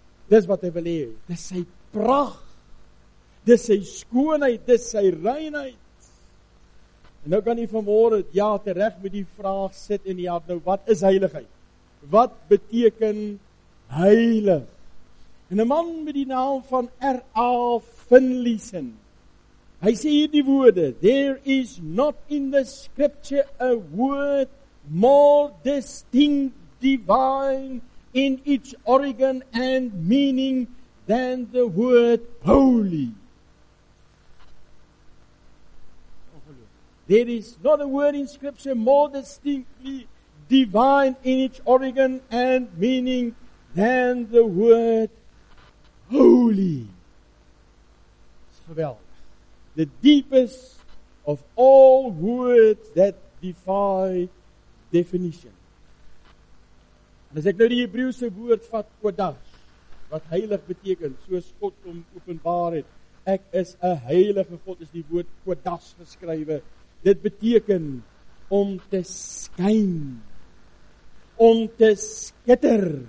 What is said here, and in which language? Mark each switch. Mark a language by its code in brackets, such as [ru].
[af] Dis wat hy wil hê. Dis sy pracht. Dis sy skoonheid. Dis sy reinheid. En nou kan hy vanmôre, ja, terecht met die vraag sit in die hart. Nou, wat is heiligheid? Wat beteken heilig? En 'n man met die naam van R.A. [en] Finlayson, [af] hy sê hier die woorde, [en] there is not in the scripture a word more distinct divine in its origin and meaning than the word holy. There is not a word in scripture more distinctly divine in its origin and meaning than the word holy. It's geweldig. The deepest of all words that defy definition. [af] En as ek nou die Hebreeuwse woord vat, kodash, wat heilig beteken, soos God om openbaar het, ek is 'n heilige God, is die woord kodash geskrywe. Dit beteken om te skyn, om te skitter.